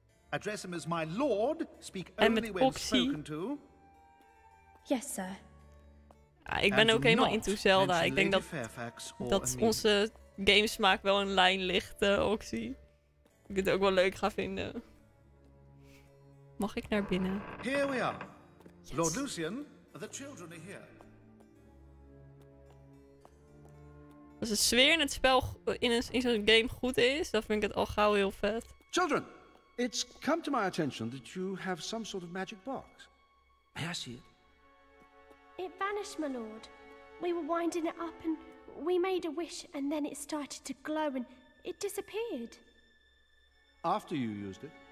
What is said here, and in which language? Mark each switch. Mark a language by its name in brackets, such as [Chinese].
[English] Address him as my lord, speak only when spoken to. Yes, sir. [Dutch] Ja, ik ben ook helemaal into Zelda. Ik denk dat, onze gamesmaak wel in lijn ligt, Oxy. Ik vind het ook wel leuk gaan vinden. Mag ik naar binnen? [English] Here we are. Yes. Lord Lucian, the children are here. [Dutch] Als de sfeer in het spel in zo'n game goed is, dan vind ik het al gauw heel vet. [English] Children, it's come to my attention that you have some sort of magic box. May I see it? It vanished, my lord. We were winding it up and we made a wish and then it started to glow and it disappeared. After you used it?